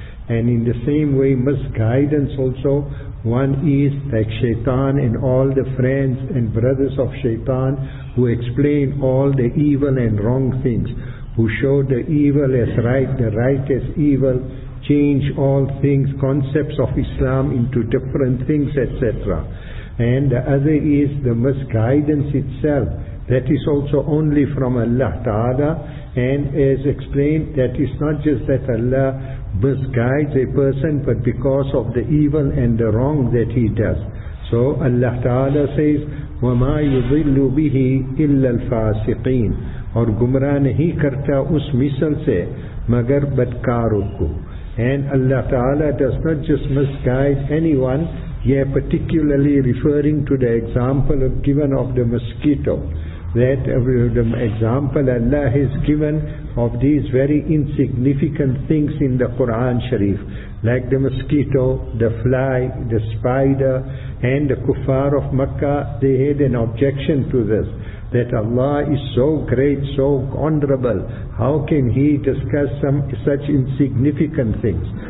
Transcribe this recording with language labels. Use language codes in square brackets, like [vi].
[en] And in the same way, misguidance also, one is like shaitan and all the friends and brothers of shaitan who explain all the evil and wrong things, who show the evil as right, the right as evil, change all things, concepts of Islam into different things, etc. And the other is the misguidance itself. That is also only from Allah Ta'ala. And as explained, that is not just that Allah misguides a person, but because of the evil and the wrong that he does. So Allah Ta'ala says, [ar] وَمَا يُضِلُّ بِهِ إِلَّا الْفَاسِقِينَ [ur] اور گمراہ نہیں کرتا اس مثل سے مگر بدکاروں کو. [en] And Allah Ta'ala does not just misguide anyone, yeah, particularly referring to the example of given of the mosquito. That the example Allah has given of these very insignificant things in the Quran Sharif, like the mosquito, the fly, the spider, and the kuffar of Makkah, they had an objection to this, that Allah is so great, so honorable, how can He discuss some such insignificant things?